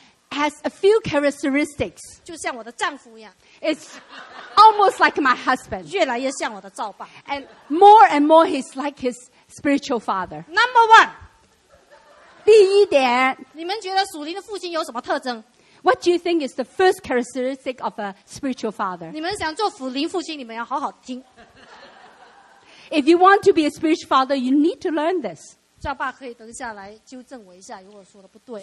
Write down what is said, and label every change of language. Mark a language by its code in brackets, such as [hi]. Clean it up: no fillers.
[en] Has a few characteristics [zh] 就像我的丈夫一样 [en] It's almost like my husband [zh] 越来越像我的造爸 [en] And more he's like his spiritual father Number one [zh] 第一点，你们觉得属灵的父亲有什么特征 [en] ？What do you think is the first characteristic of a spiritual father？ [zh] 你们想做属灵父亲，你们要好好听。 [en] If you want to be a spiritual father, you need to learn this。 [zh] 赵爸可以等下来纠正我一下，如果说的不对。